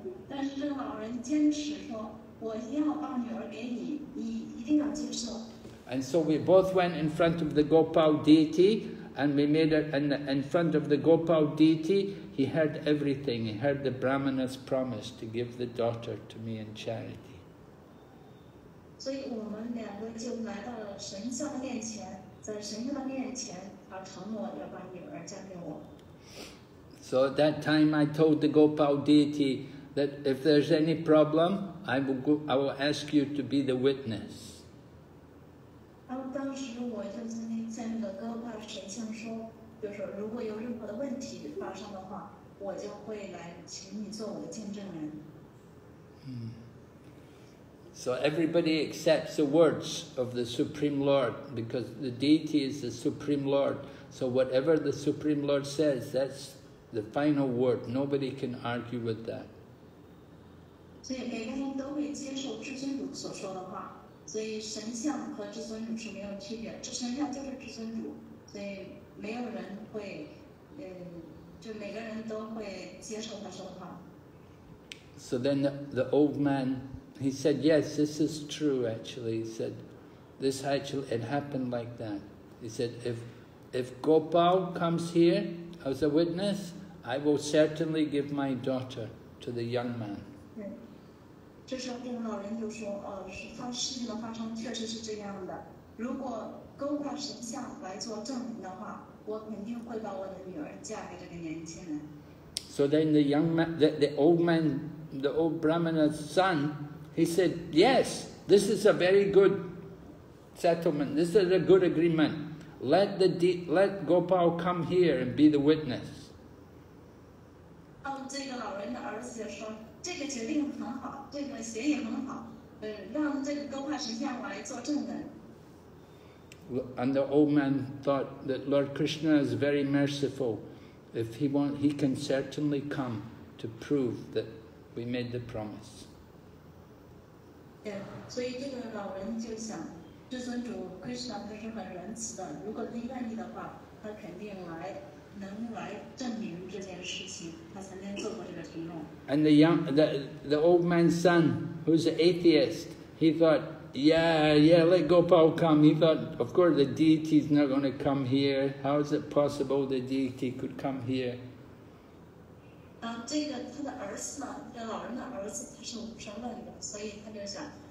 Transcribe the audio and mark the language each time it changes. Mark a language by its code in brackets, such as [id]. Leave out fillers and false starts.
[zh] 但是这个老人坚持说，我一定要把女儿给你，你一定要接受。 [en] And so we both went in front of the Gopal deity, and we made it. And in front of the Gopal deity, he heard everything. He heard the Brahmana's promise to give the daughter to me in charity. [zh] 所以我们两个就来到了神像面前，在神像面前，他承诺要把女儿嫁给我。 [en] So at that time, I told the Gopal deity that if there's any problem, I will ask you to be the witness. [zh] 然后当时我就在那个高挂神像说，就是如果有任何的问题发生的话，我就会来请你做我的见证人。 [en] So everybody accepts the words of the Supreme Lord, because the deity is the Supreme Lord. So whatever the Supreme Lord says, that's the final word. Nobody can argue with that. [zh] 所以每个人都会接受至尊主所说的话。所以神像和至尊主是没有区别，至神像就是至尊主。所以没有人会，就每个人都会接受他说的话。 [en] So then the old man. He said, "Yes, this is true." Actually, he said, "This actually it happened like that." He said, "If Gopal comes here as a witness, I will certainly give my daughter to the young man." [zh] 这时候，这个老人就说：“事情的发生确实是这样的。如果 Gopal 神像来做证明的话，我肯定会把我的女儿嫁给这个年轻人。” [en] So then, the young man, the old man, the old Brahmana's son. He said, "Yes, this is a very good settlement. This is a good agreement. Let Gopal come here and be the witness." Oh, this old man's son said, "This agreement is very good. This settlement is very good. Let Gopal come here and be the witness." And the old man thought that Lord Krishna is very merciful. If he want, he can certainly come to prove that we made the promise. [zh] 对，所以这个老人就想，至尊主 Krishna 他是很仁慈的，如果他愿意的话，他肯定来，能来证明这件事情，他曾经做过这个承诺。 [en] And the young, the old man's son, who's an atheist, he thought, yeah, let Gopal come. He thought, of course, the deity is not going to come here. How is it possible the deity could come here? [zh] 这个他的儿子嘛，这老人的儿子，他是无神论的，所以他就想，